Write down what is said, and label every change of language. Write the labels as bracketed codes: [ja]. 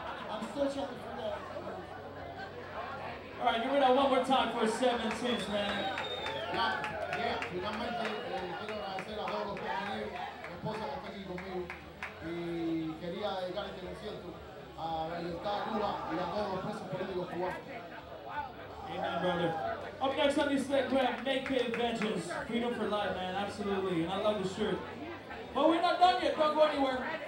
[en] I'm still trying to figure out. All right, you're gonna one more time for 17, man. [es] Yeah, finalmente quiero agradecer a todos los que han venido, mi esposa que está aquí conmigo, y quería dedicar este concierto a la libertad de Cuba y a todos los presos políticos cubanos. [en] Amen, brother. Up next on this set, we have Naked Vengeance, Freedom for Life, man, absolutely, and I love the shirt. But we're not done yet, don't go anywhere.